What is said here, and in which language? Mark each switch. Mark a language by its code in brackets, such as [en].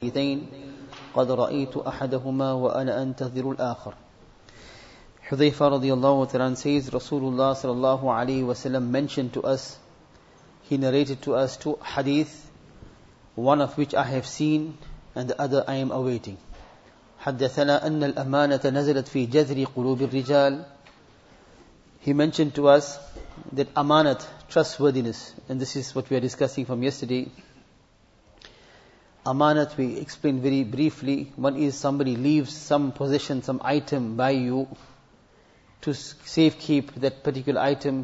[ar] إثنين قد رأيت أحدهما وأنا أنتظر الآخر. [en] Hudhayfa radiallahu ta'ala says, Rasulullah sallallahu alayhi wa sallam mentioned to us, he narrated to us two hadith, one of which I have seen and the other I am awaiting. [ar] حدثنا أن الأمانة نزلت في جذر قلوب الرجال. [en] He mentioned to us that amanat, trustworthiness, and this is what we are discussing from yesterday. Amanat, we explained very briefly. One is somebody leaves some possession, some item by you to safe keep that particular item.